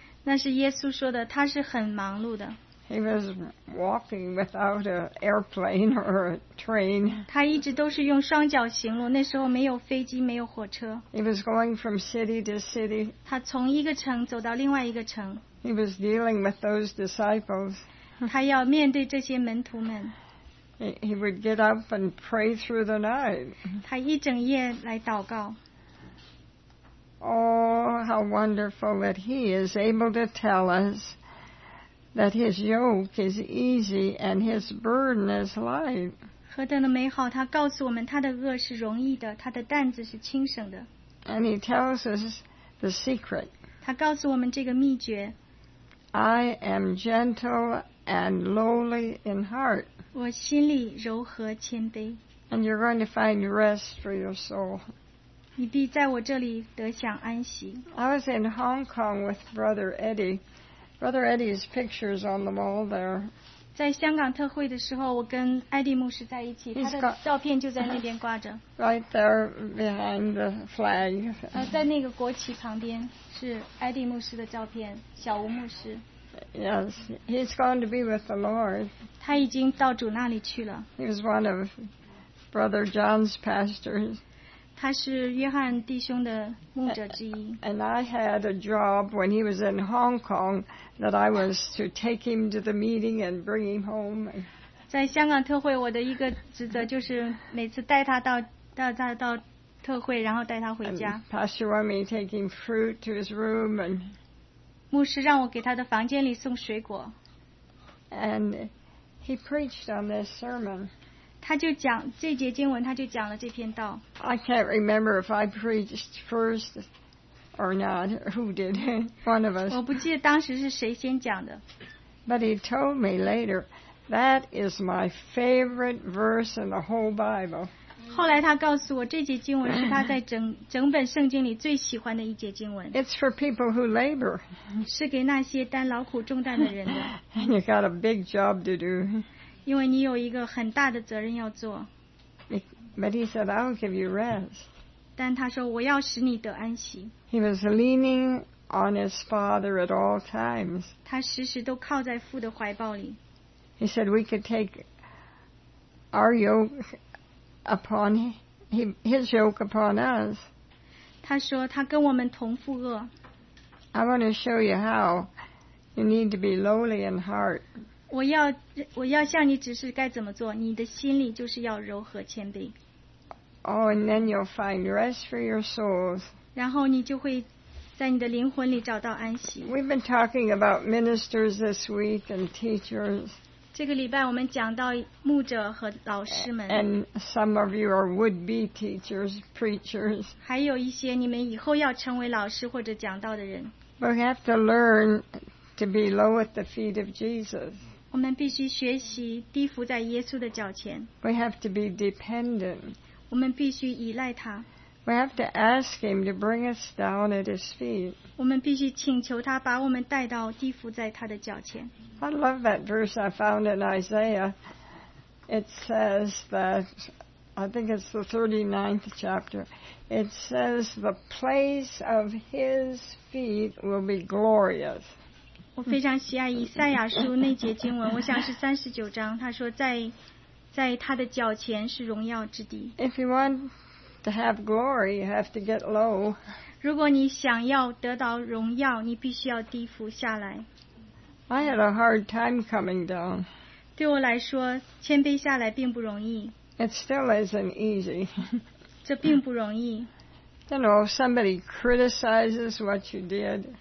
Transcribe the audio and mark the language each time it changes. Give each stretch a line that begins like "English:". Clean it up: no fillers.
Chinese: 那是耶稣说的，他是很忙碌的。
English: He was walking without an airplane or a train.
Chinese: 他一直都是用双脚行路，那时候没有飞机，没有火车。
English: He was going from city to city.
Chinese: 他从一个城走到另外一个城。
English: He was dealing with those disciples.
Chinese: 他要面对这些门徒们。
English: He would get up and pray through the night.
Chinese: 他一整夜来祷告。
English: Oh, how wonderful that he is able to tell us that his yoke is easy and his burden is light.
Chinese: 何等的美好，他告诉我们他的轭是容易的，他的担子是轻省的。
English: And he tells us the secret.
Chinese: 他告诉我们这个秘诀。
English: I am gentle and lowly in heart.
Chinese: 我心里柔和谦卑。
English: And you're going to find rest for your soul.
Chinese: 你必在我这里得享安息。
English: I was in Hong Kong with Brother Eddie. Brother Eddie's picture is on the wall there.
Chinese: 在香港特会的时候，我跟艾迪牧师在一起，他的照片就在那边挂着。
English: Right there behind the flag.
Chinese: 在那个国旗旁边是艾迪牧师的照片，小吴牧师。
English: Yes, he's going to be with the Lord.
Chinese: 他已经到主那里去了。
English: He was one of Brother John's pastors.
Chinese: 他是约翰弟兄的牧者之一。
English: And I had a job when he was in Hong Kong. That I was to take him to the meeting and bring him home.
Chinese: 在香港特会，我的一个职责就是每次带他到特会，然后带他回家。
English: Pastor wanted me to take him fruit to his room and.
Chinese: 牧师让我给他的房间里送水果。
English: And he preached on this sermon.
Chinese: 他就讲这节经文，他就讲了这篇道。
English: I can't remember if I preached first. Or not? Who did? One of us.
Chinese: 我不记得当时是谁先讲的。
English: But he told me later, that is my favorite verse in the whole Bible.
Chinese: 后来他告诉我，这节经文是他在整本圣经里最喜欢的一节经文。
English: It's for people who labor.
Chinese: 是给那些担劳苦重担的人的。
English: And you got a big job to do.
Chinese: 因为你有一个很大的责任要做。
English: But he said, I'll give you rest.
Chinese: 但他说我要使你得安息。
English: He was leaning on his father at all times.
Chinese: 他时时都靠在父的怀抱里。
English: He said we could take our yoke upon his yoke upon us.
Chinese: 他说他跟我们同负轭。
English: I want to show you how you need to be lowly in heart.
Chinese: 我要向你指示该怎么做，你的心里就是要柔和谦卑。
English: Oh, and then you'll find rest for your souls.
Chinese: 然后你就会在你的灵魂里找到安息。
English: We've been talking about ministers this week and teachers.
Chinese: 这个礼拜我们讲到牧者和老师们。
English: And some of you are would-be teachers, preachers.
Chinese: 还有一些你们以后要成为老师或者讲道的人。
English: But we have to learn to be low at the feet of Jesus.
Chinese: 我们必须学习低伏在耶稣的脚前。
English: We have to be dependent.
Chinese: 我们必须依赖他。
English: We have to ask him to bring us down at his feet.
Chinese: 我们必须请求他把我们带到低伏在他的脚前。
English: I love that verse I found in Isaiah. It says that, I think it's the 39th chapter. It says the place of his feet will be glorious.
Chinese: 我非常喜爱以赛亚书那节经文，我想是39章，他说在他的脚前是荣耀之地。
English: If you want to have glory, you have to get low.
Chinese: 如果你想要得到荣耀，你必须要低伏下来。
English: I had a hard time coming down.
Chinese: 对我来说，谦卑下来并不容易。
English: It still isn't easy.
Chinese: 这并不容易。
English: You know, somebody criticizes what you did.